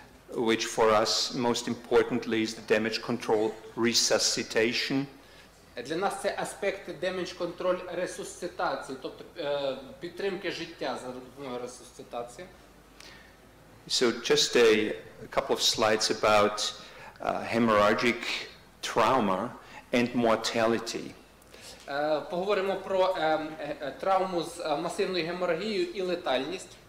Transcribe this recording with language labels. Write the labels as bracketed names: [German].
[English] Which for us, most importantly, is the damage control resuscitation. [Ukrainian] Для нас це аспект damage control ресусцитації, тобто підтримки життя за допомогою ресусцитації. [English] So just a couple of slides about hemorrhagic trauma and mortality. [Ukrainian] Поговоримо про травму з масивною геморагією і летальність.